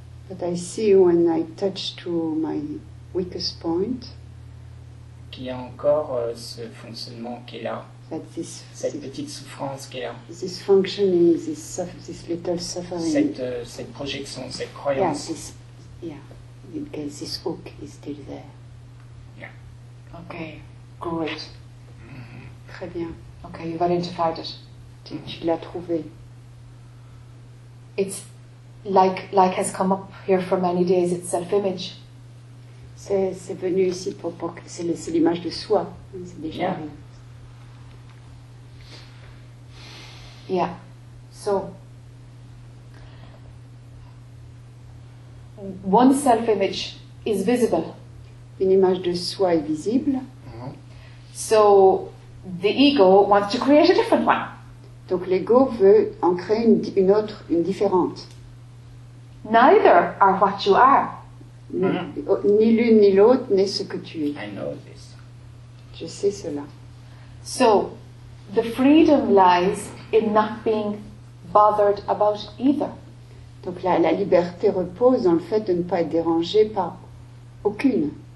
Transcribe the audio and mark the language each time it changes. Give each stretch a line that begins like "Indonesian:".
English: but I see when I touch to my weakest point,
French: qu'il y a encore ce fonctionnement qui est là.
English: that this,
French: cette petite souffrance qui est là.
English: This functioning, this little suffering.
French: Cette projection, cette croyance.
English: Because this hook is still there. Yeah. Okay, great.
French: Très bien.
English: Okay, you've identified it.
French: Tu l'as trouvé.
English: It's like has come up here for many days. It's self-image.
French: C'est venu ici pour c'est l'image de soi. C'est déjà arrivé.
English: Yeah. So one self-image is visible.
French: Une image de soi est visible.
English: So the ego wants to create a different one.
French: Donc l'ego veut en créer une autre, une différente.
English: Neither are what you are.
French: Ni l'une ni l'autre n'est ce que tu es.
English: I know this.
French: Je sais cela.
English: So the freedom lies in not being bothered about either.
French: Donc la liberté repose dans le fait de ne pas être dérangé par aucune.